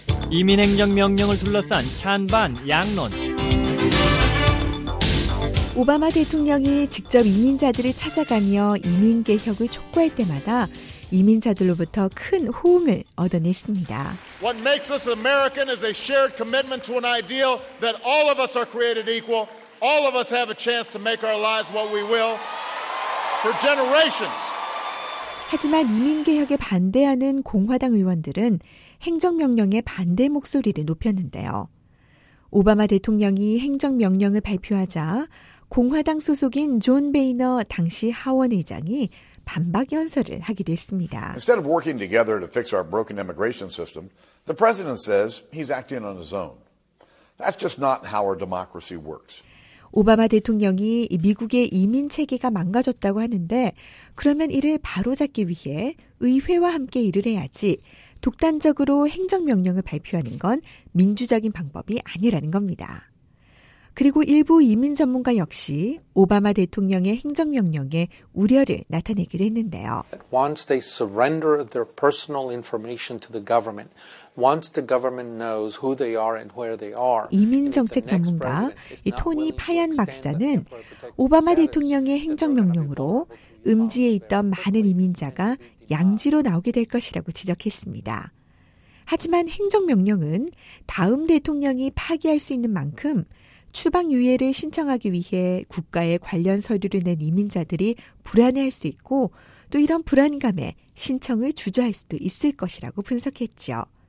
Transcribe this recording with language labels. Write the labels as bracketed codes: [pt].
[ko] 이민행정명령을 둘러싼 찬반 양론. 오바마 대통령이 직접 이민자들을 찾아가며 이민개혁을 촉구할 때마다 이민자들로부터 큰 호응을 얻어냈습니다. [en] What makes us American is a shared commitment to an ideal that all of us are created equal. All of us have a chance to make our lives what we will for generations. [ko] 하지만 이민개혁에 반대하는 공화당 의원들은 행정명령에 반대 목소리를 높였는데요. 오바마 대통령이 행정명령을 발표하자 공화당 소속인 존 베이너 당시 하원의장이 반박 연설을 하게 됐습니다. [en] Instead of working together to fix our broken immigration system, the president says he's acting on his own. That's just not how our democracy works. [ko] 오바마 대통령이 미국의 이민 체계가 망가졌다고 하는데 그러면 이를 바로잡기 위해 의회와 함께 일을 해야지 독단적으로 행정명령을 발표하는 건 민주적인 방법이 아니라는 겁니다. 그리고 일부 이민 전문가 역시 오바마 대통령의 행정명령에 우려를 나타내기도 했는데요. [en] Once they surrender their personal information to the government, once the government knows who they are and where they are. [ko] 이민 정책 전문가 이 토니 파얀 박사는 오바마 대통령의 행정명령으로 음지에 있던 많은 이민자가 양지로 나오게 될 것이라고 지적했습니다. 하지만 행정명령은 다음 대통령이 파기할 수 있는 만큼 추방 유예를 신청하기 위해 국가에 관련 서류를 낸 이민자들이 불안해할 수 있고 또 이런 불안감에 신청을 주저할 수도 있을 것이라고 분석했죠.